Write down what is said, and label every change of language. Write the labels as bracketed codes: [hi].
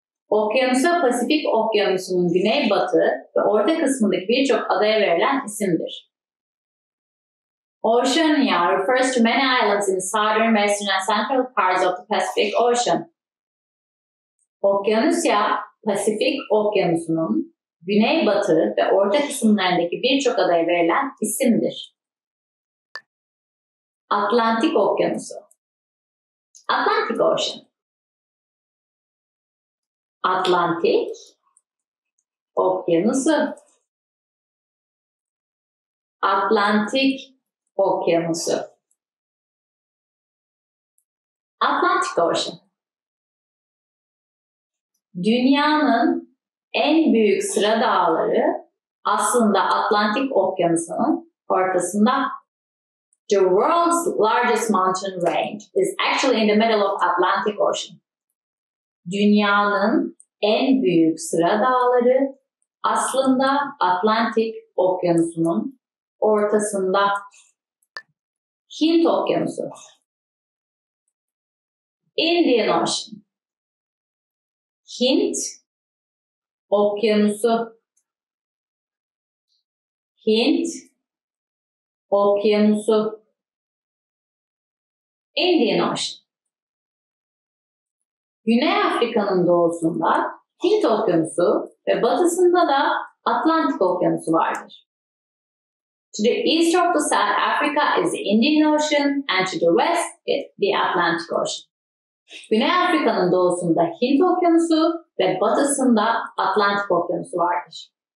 [tr] Okyanusa Pasifik Okyanusu'nun güneybatı ve orta kısmındaki birçok adaya verilen isimdir. [en] Oceania refers to many islands in the southern, western and central parts of the Pacific Ocean. [tr] Okyanusya, Pasifik Okyanusu'nun güneybatı ve orta kısımlarındaki birçok adaya verilen isimdir. Atlantik Okyanusu. [en] Atlantic Ocean. [tr] Atlantik Okyanusu. Atlantik Okyanusu. [en] Atlantic Ocean. [tr] Dünyanın en büyük sıra dağları aslında Atlantik Okyanusu'nun ortasında. [en] The world's largest mountain range is actually in the middle of Atlantic Ocean. [tr] Dünyanın en büyük sıra dağları aslında Atlantik Okyanusu'nun ortasında. Hint Okyanusu. [en] Indian Ocean. [tr] Hint Okyanusu. Hint Okyanusu. [en] Indian Ocean. [tr] Güney Afrika'nın doğusunda Hint Okyanusu ve batısında da Atlantik Okyanusu vardır. [en] To the east of the South Africa is the Indian Ocean and to the west is the Atlantic Ocean. [tr] Güney Afrika'nın doğusunda Hint Okyanusu ve batısında Atlantik Okyanusu vardır.